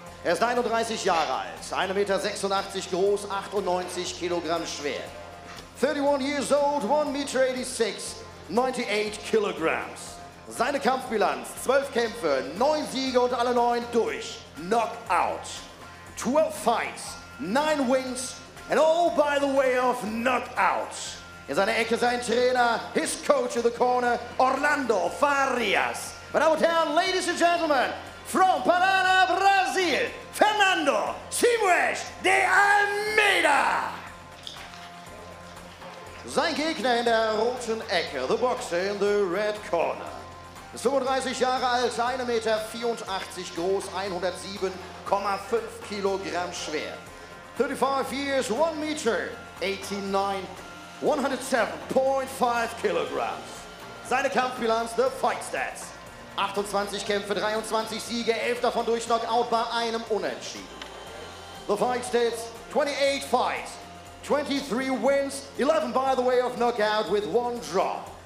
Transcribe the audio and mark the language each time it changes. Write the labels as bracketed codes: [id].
[de] Er ist 31 Jahre alt, 1,86 Meter groß, 98 Kilogramm schwer. [en] 31 years old, 1,86 Meter, 98 Kilograms. [de] Seine Kampfbilanz, 12 Kämpfe, 9 Siege und alle 9 durch. Knockout. [en] 12 Fights, 9 Wins and all by the way of knockout. [de] In seiner Ecke sein Trainer, [en] his coach in the corner, [de] Orlando Farias. Meine Damen und Herren, [en] ladies and gentlemen, from Paraná, Brasil, Fernando Siles de Almeida. [de] Sein Gegner in der roten Ecke, [en] the boxer in the red corner. [de] Ist 35 Jahre alt, 1,84 Meter groß, 107,5 Kilogramm schwer. [en] 35 years, 1 Meter, 89, 107,5 Kilograms. [de] Seine Kampfbilanz, [en] the fight stats. [de] 28 Kämpfe, 23 Siege, 11 davon durch Knockout bei einem Unentschieden. [en] The fight stats, 28 fights, 23 wins, 11 by the way of knockout with one draw.